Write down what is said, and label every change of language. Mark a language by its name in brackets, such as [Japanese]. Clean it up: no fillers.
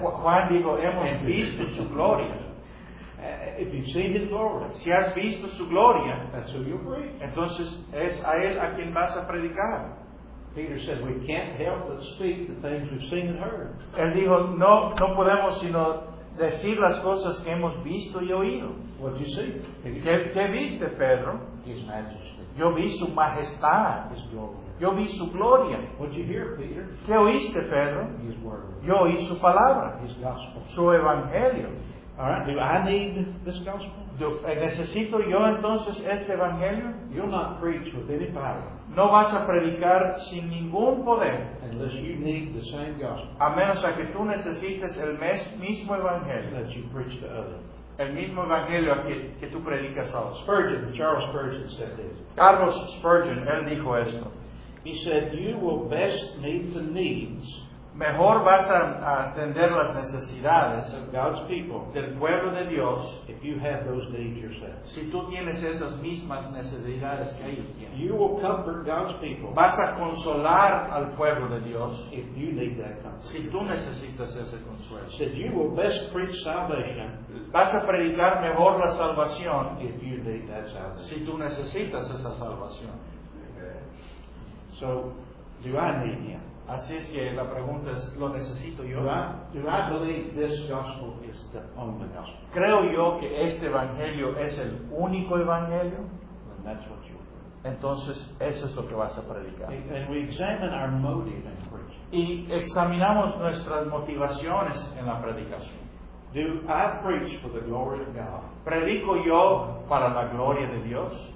[Spanish] Juan dijo, hemos visto su gloria. [English] If you've seen his glory, [Spanish] si has visto su gloria, [English] that's who you preach. [Spanish] Entonces es a él a quien vas a predicar. [English] Peter said, "We can't help but speak the things we've seen and heard." [Spanish] Él dijo, no podemos sino decir las cosas que hemos visto y oído. [English] What did you see? [Spanish] ¿Qué viste, Pedro? [English] His majesty. [Spanish] Yo vi su majestad. [English] His glory. [Spanish] Yo vi su gloria. [English] What did you hear, Peter? [Spanish] ¿Qué oíste, Pedro? [English] His word. [Spanish] Yo oí su palabra. [English] His gospel. [Spanish] Su evangelio. [English] All right. Do I need this gospel? [Spanish] ¿Necesito yo entonces este evangelio? [English] You'll not preach with any power. [Spanish] No vas a predicar sin ningún poder. [English] Unless you need the same gospel. [Spanish] A menos a que tú necesites el mismo evangelio. [English] That you preach to others. [Spanish] El mismo evangelio que tú predicas a los. [English] Spurgeon, Charles Spurgeon said this. [Spanish] Carlos Spurgeon, él dijo esto. [English] He said, you will best meet the needs. [Spanish] Mejor vas a atender las necesidades [English] of God's people, [Spanish] del pueblo de Dios, [English] if you have those needs yourself. [Spanish] Si tú tienes esas mismas necesidades que ellos tienen. [English] You will comfort God's people. [Spanish] Vas a consolar al pueblo de Dios, [English] if you need that comfort. [Spanish] Si tú necesitas ese consuelo. [English] He said, you will best preach salvation. [Spanish] Vas a predicar mejor la salvación, [English] if you need that salvation. [Spanish] Si tú necesitas esa salvación. [English] So, do I need him? [Spanish] Así es que la pregunta es, ¿lo necesito yo? [English] Do I believe this gospel is the only gospel? [Spanish] ¿Creo yo que este evangelio es el único evangelio? [English] Then that's what you will. [Spanish] Entonces, eso es lo que vas a predicar. [English] And we examine our motive in preaching. [Spanish] Y examinamos nuestras motivaciones en la predicación. [English] Do I preach for the glory of God? [Spanish] ¿Predico yo para la gloria de Dios?